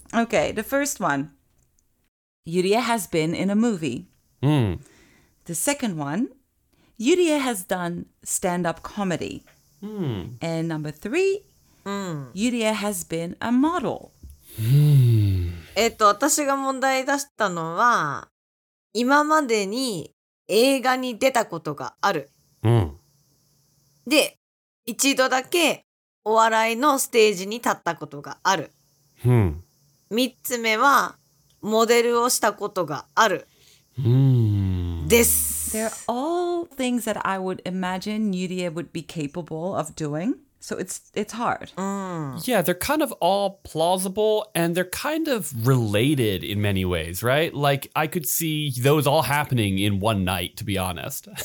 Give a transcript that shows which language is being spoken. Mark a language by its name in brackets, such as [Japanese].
[English] Okay, the first one. Yudia has been in a movie. The second one. Yudia has done stand-up comedy. And number three, Yudia has been a model. [Japanese] 私が問題出したのは、今までに映画に出たことがある。で、一度だけお笑いのステージに立ったことがある。三つ目は、モデルをしたことがある。です。 [English] They're all things that I would imagine Yudia would be capable of doing. So it's hard. Yeah, they're kind of all plausible and they're kind of related in many ways, right? Like, I could see those all happening in one night, to be honest.